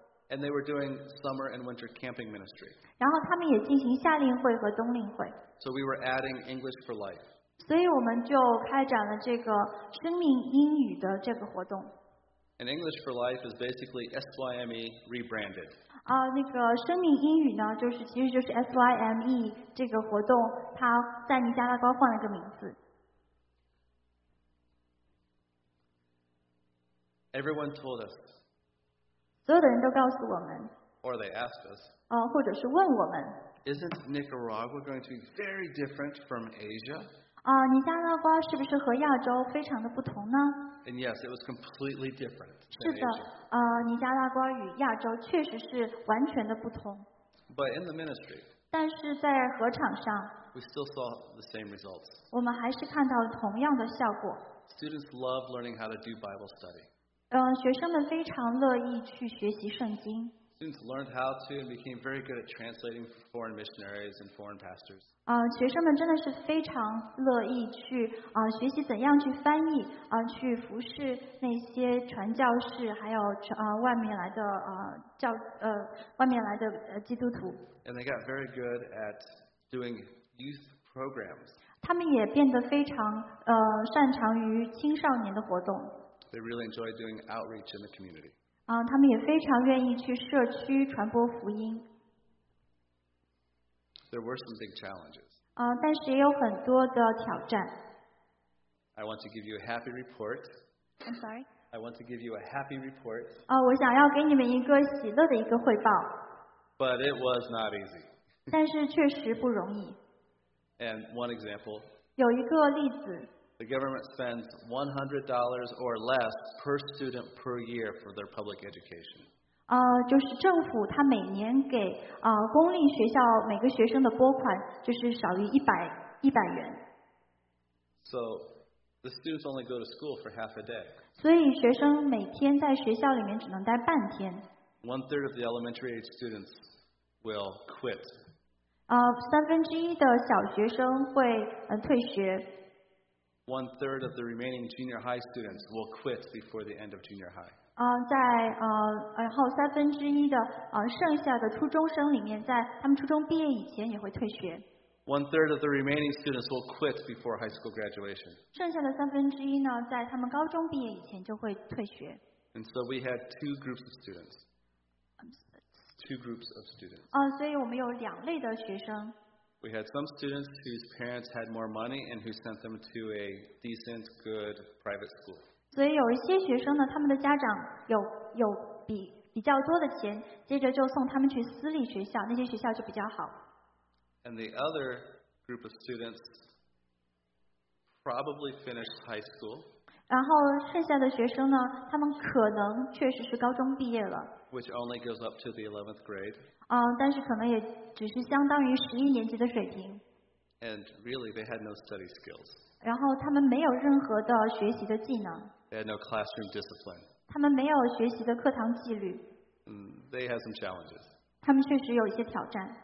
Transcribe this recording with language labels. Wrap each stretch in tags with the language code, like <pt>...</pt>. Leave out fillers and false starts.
<en>And they were doing summer and winter camping ministry.</en> <zh>然后他们也进行夏令会和冬令会。</zh> <en>So we were adding English for life.</en> <zh>所以我们就开展了这个生命英语的这个活动。</zh> <en>And English for Life is basically SYME rebranded.</en> <zh>那个生命英语呢，其实就是 SYME 这个活动，它在尼加拉瓜换了个名字。</zh> <en>Everyone told us.</en> <zh>所有的人都告诉我们。</zh> <en>Or they asked us.</en> <zh>或者是问我们。</zh> <en>isn't Nicaragua going to be very different from Asia?</en> <zh>尼加拉瓜是不是和亚洲非常的不同呢？</zh> <en>And yes, it was completely different.</en> <zh>是的，尼加拉瓜与亚洲确实是完全的不同。</zh> <en>But in the ministry,</en> <zh>但是在合场上，</zh> <en>we still saw the same results.</en> <zh>我们还是看到了同样的效果。</zh> <en>Students love learning how to do Bible study.</en> <zh>学生们非常乐意去学习圣经。</zh> <en>Students learned how to and became very good at translating for foreign missionaries and foreign pastors.</en> <zh>学生们真的是非常乐意去学习怎样去翻译去服侍那些传教士还有外面来的外面来的基督徒。</zh> <en>And they got very good at doing youth programs.</en> <zh>他们也变得非常擅长于青少年的活动。</zh> <en>They really enjoy doing outreach in the community.</en> <zh>他们也非常愿意去社区传播福音。</zh> <en>There were some big challenges.</en> <zh>但是也有很多的挑战。</zh> <en>I want to give you a happy report. I'm sorry. I want to give you a happy report.</en> <zh>我想要给你们一个喜乐的一个汇报。</zh> <en>But it was not easy.</en> <zh>但是确实不容易。</zh> <en>And one example.</en> <zh>有一个例子。</zh> <en>The government spends $100 or less per student per year for their public education.</en> <zh>就是政府它每年给公立学校每个学生的拨款就是少于100元。</zh> <en>So the students only go to school for half a day.</en> <zh>所以学生每天在学校里面只能待半天。</zh> <en>One third of the elementary age students will quit.</en> <zh>三分之一的小学生会退学。</zh> <en>One third of the remaining junior high students will quit before the end of junior high.</en> <zh>然后三分之一的剩下的初中生里面，在他们初中毕业以前也会退学。</zh> <en>One third of the remaining students will quit before high school graduation.</en> <zh>剩下的三分之一呢，在他们高中毕业以前就会退学。</zh> <en>And so we had two groups of students. Two groups of students.</en> <zh>所以我们有两类的学生。</zh> <en>We had some students whose parents had more money and who sent them to a decent, good private school.</en> <zh>所以有一些学生呢，他们的家长有比较多的钱，接着就送他们去私立学校，那些学校就比较好。</zh> <en>And the other group of students probably finished high school.</en> <zh>然后剩下的学生呢，他们可能确实是高中毕业了。</zh> <en>Which only goes up to the 11th grade.</en> <zh>但是可能也。只是相当于十一年级的水平。</zh> <en>And really, they had no study skills.</en> <zh>然后他们没有任何的学习的技能。</zh> <en>They had no classroom discipline.</en> <zh>他们没有学习的课堂纪律。</zh> <en>They had some challenges.</en> <zh>他们确实有一些挑战。</zh>